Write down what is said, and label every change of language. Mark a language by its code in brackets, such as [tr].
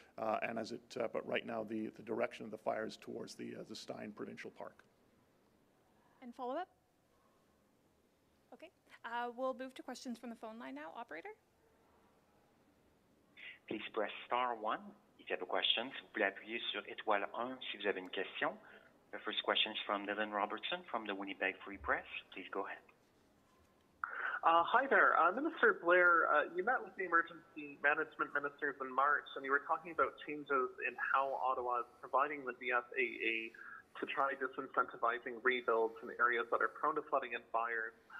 [en] But right now, the direction of the fire is towards the Stein Provincial Park. And follow up? Okay. We'll move to questions from the phone line now. Operator? Please press star 1 if you have a question. [fr] Vous pouvez appuyer sur étoile 1 si vous avez une question. [en] The first question is from Dylan Robertson from the Winnipeg Free Press. Please go ahead. Hi there. Minister Blair, you met with the emergency management ministers in March, and you were talking about changes in how Ottawa is providing the DFAA to try disincentivizing rebuilds in areas that are prone to flooding and fires.